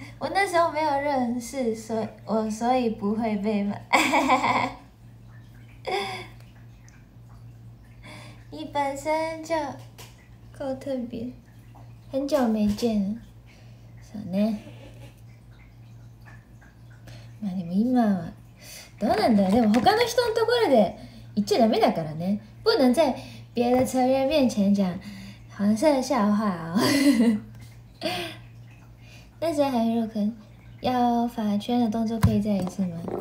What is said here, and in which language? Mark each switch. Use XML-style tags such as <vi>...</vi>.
<zh>我那时候没有认识，所以不会被骂。你本身就够特别，很久没见了，</zh> <ja>そうね。まあでも今はどうなんだ。でも他の人のところで言っちゃダメだからね。</ja> <zh>不能在别的成员面前讲黄色笑话哦。那谁还入坑？要发圈的动作可以再一次吗？</zh>